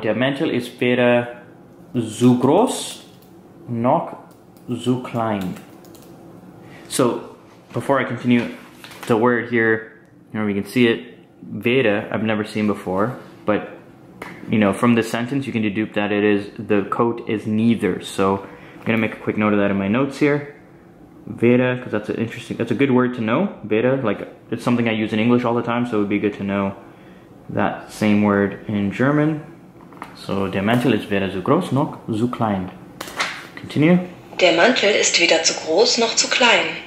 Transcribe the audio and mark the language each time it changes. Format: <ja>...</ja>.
<de>Der Mantel ist weder zu groß noch zu klein.</de> <en>So, before I continue, the word here, you know, we can see it, weder, I've never seen before, but, you know, from the sentence, you can deduce that it is, the coat is neither. So, I'm going to make a quick note of that in my notes here. Weder, because that's an interesting, that's a good word to know. Weder, like, it's something I use in English all the time, so it would be good to know that same word in German.</en> <de>So, der Mantel ist weder zu groß noch zu klein.</de> <en>Continue.</en> <de>Der Mantel ist weder zu groß noch zu klein.</de>